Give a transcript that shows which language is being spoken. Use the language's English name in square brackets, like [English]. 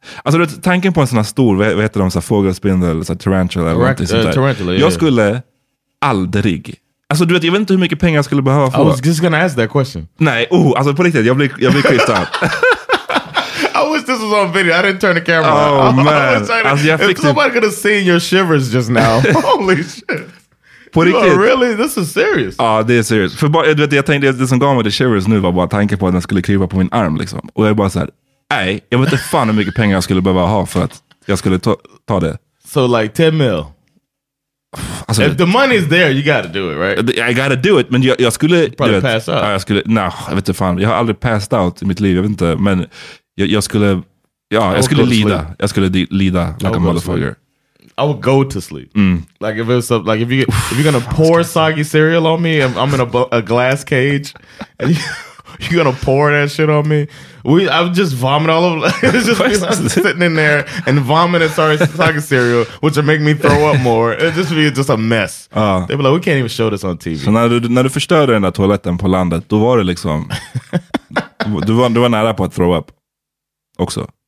[Swedish] Alltså, du vet, tanken på en sån här stor, vad heter de, så här fågelspindel, så här tarantula eller något sånt där. Tarantula, jag skulle aldrig... Alltså, du vet, jag vet inte hur mycket pengar jag skulle behöva få. [English] I was just gonna ask that question. [Swedish] Nej, alltså på riktigt, jag blir creeped out. [English] I wish this was on video. I didn't turn the camera on. Oh, man. Somebody could have seen your shivers just now. Holy shit. You are really? This is serious. [Swedish] Ja, det är serious. För bara, du vet, jag tänkte att det som gav mig the shivers nu var bara tanken på att den skulle krypa på min arm, liksom. Och jag är bara så här, nej, jag vet inte fan hur mycket pengar jag skulle behöva ha för att jag skulle ta det. [English] So, like, 10 mil. Alltså, if the money is there, you gotta do it, right? I gotta do it, [Swedish] men jag skulle... [English] Probably pass out. [Swedish] Jag skulle, no, jag vet inte fan. Jag har aldrig [English] passed out [Swedish] i mitt liv, jag vet inte. Men jag skulle... Ja, jag skulle lida. Sleep. Jag skulle lida [English] like a motherfucker. I would go to sleep. Mm. Like, if it was like if you're gonna pour soggy cereal on me, and I'm in a glass cage, and you're gonna pour that shit on me, I would just vomit all over. It's just like sitting in there and vomiting soggy cereal, which would make me throw up more. It'd just be just a mess. They'd be like, we can't even show this on TV. [Swedish] Så när du förstörde den där toaletten på landet, då var det liksom... du var nära på att [English] throw up [Swedish] också.